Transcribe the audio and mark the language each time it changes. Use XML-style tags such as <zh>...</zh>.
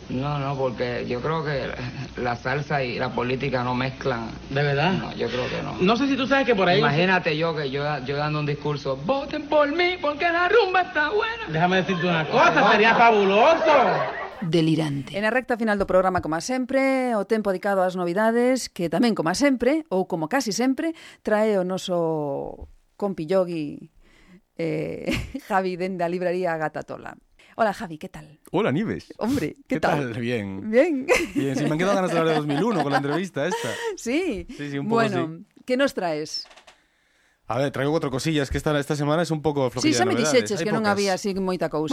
<es>No, no, porque yo creo que la salsa y la política no mezclan. ¿De verdad? No, yo creo que no. No sé si tú sabes que por ahí... Imagínate yo que yo dando un discurso, voten por mí porque la rumba está buena. Déjame decirte una cosa, sería fabuloso. Delirante.</es> <gl>En a recta final do programa, como a sempre, o tempo dedicado ás novidades, que tamén como a sempre, ou como casi sempre, trae o noso compi Yogi, Javi, dende a librería Gata Tola.</gl> <es>Hola, Javi, ¿qué tal? Hola, Nives. Hombre, ¿qué tal? Bien. Bien. Bien, sí, me han quedado ganas de hablar de 2001 con la entrevista esta. Sí. Sí, sí, un poco. Bueno, así. ¿Qué nos traes? A ver, traigo cuatro cosillas, que esta semana es un poco flojita.</es> <gl>Sí, xa me dixeches que non había así moita cousa,</gl>